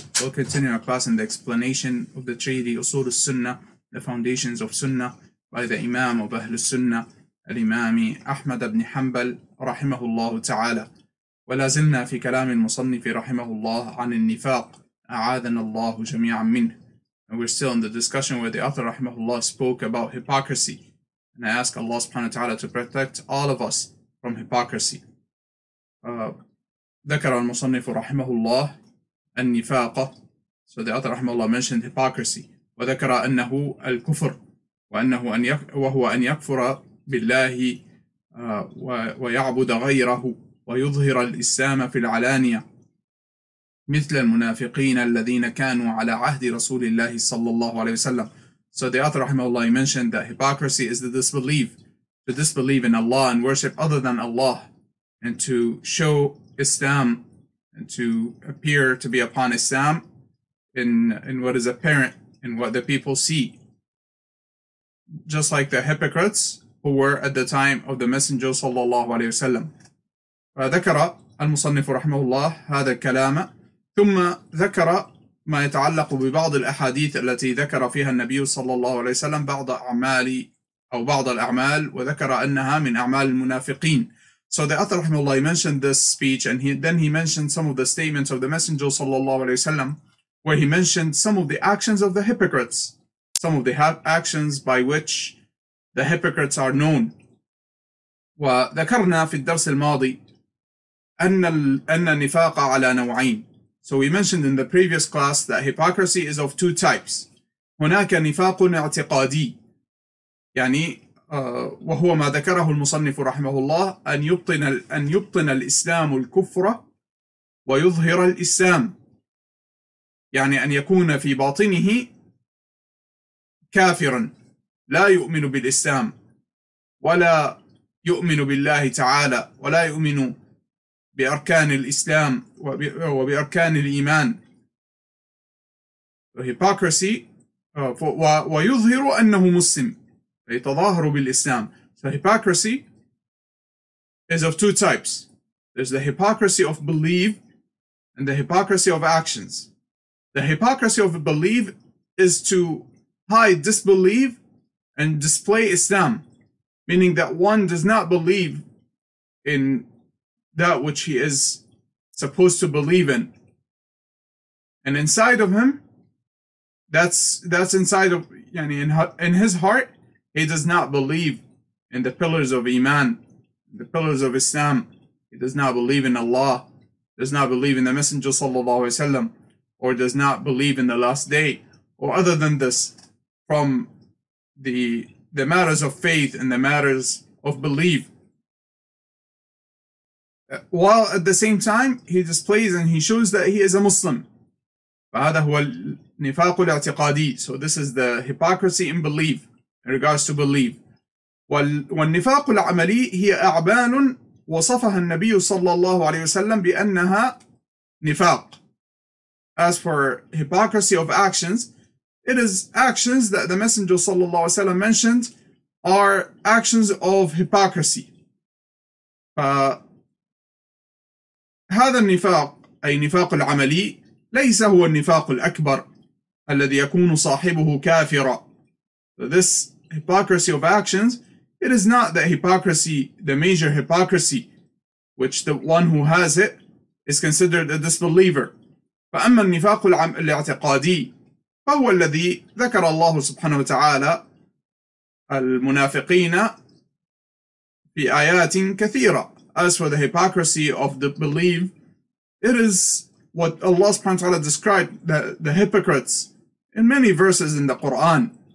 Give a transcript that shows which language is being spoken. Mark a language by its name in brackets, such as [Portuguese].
[English] We'll continue our class in the explanation of the treaty Usool Al Sunnah, the foundations of Sunnah, by the Imam of أهل السنة الإمام أحمد بن حنبل رحمه الله تعالى. [Arabic] ولا زلنا في كلام المصنف رحمه الله عن النفاق أعاذنا الله جميعا منه. [English] And we're still in the discussion where the author رحمه الله spoke about hypocrisy. And I ask Allah subhanahu wa ta'ala to protect all of us from hypocrisy. [Arabic] ذكر المصنف رحمه الله النفاق. [English] So the author رحمه الله mentioned hypocrisy. [Arabic] وذكر أنه الكفر وأنه أن يك وهو أن يكفر بالله ويعبد غيره ويظهر الإسلام في العلانية مثل المنافقين الذين كانوا على عهد رسول الله صلى الله عليه وسلم. [English] So the author رحمه الله mentioned that hypocrisy is the disbelief in Allah and worship other than Allah, and to show Islam and to appear to be upon Islam in what is apparent in what the people see, just like the hypocrites who were at the time of the Messenger صلى الله عليه وسلم. [Arabic] ذكر المصنف رحمه الله هذا الكلام ثم ذكر ما يتعلق ببعض الأحاديث التي ذكر فيها النبي صلى الله عليه وسلم بعض أعمال أو بعض الأعمال وذكر أنها من أعمال المنافقين. [English] So the author rahimahullah mentioned this speech, and then he mentioned some of the statements of the Messenger sallallahu alaihi wasallam, where he mentioned some of the actions of the hypocrites, some of the actions by which the hypocrites are known. [Arabic] وذكرنا في الدرس الماضي أن النفاق على نوعين. [English] So we mentioned in the previous class that hypocrisy is of two types. [Arabic] هناك نفاق اعتقادي يعني وهو ما ذكره المصنف رحمه الله أن يبطن الإسلام الكفر ويظهر الإسلام، يعني أن يكون في باطنه كافرا لا يؤمن بالإسلام ولا يؤمن بالله تعالى ولا يؤمن بأركان الإسلام وبأركان الإيمان. hypocrisy ويظهر أنه مسلم يتظاهر بالإسلام. [English] So hypocrisy is of two types. There's the hypocrisy of belief and the hypocrisy of actions. The hypocrisy of belief is to hide disbelief and display Islam, meaning that one does not believe in that which he is supposed to believe in. And inside of him, that's inside of, [Arabic] يعني [English] in his heart, he does not believe in the pillars of Iman, the pillars of Islam. He does not believe in Allah, does not believe in the Messenger sallallahu alaihi wasallam, or does not believe in the last day, or other than this, from the matters of faith and the matters of belief. While at the same time, he displays and he shows that he is a Muslim. [Arabic] فهذا هو النفاق الاعتقادي. [English] So this is the hypocrisy in belief. In regards to belief. [Arabic] والنفاق العملي هي أعبان وصفها النبي صلى الله عليه وسلم بأنها نفاق. [English] As for hypocrisy of actions, it is actions that the Messenger صلى الله عليه وسلم mentioned are actions of hypocrisy. [Arabic] فهذا النفاق أي نفاق العملي ليس هو النفاق الأكبر الذي يكون صاحبه كافرا. [English] This hypocrisy of actions, it is not that hypocrisy, the major hypocrisy, which the one who has it is considered a disbeliever. [Arabic] فأما النفاق الاعتقادي فهو الذي ذكر الله سبحانه وتعالى المنافقين في آيات كثيرة. [English] As for the hypocrisy of the belief, it is what Allah سبحانه وتعالى described the hypocrites in many verses in the Quran.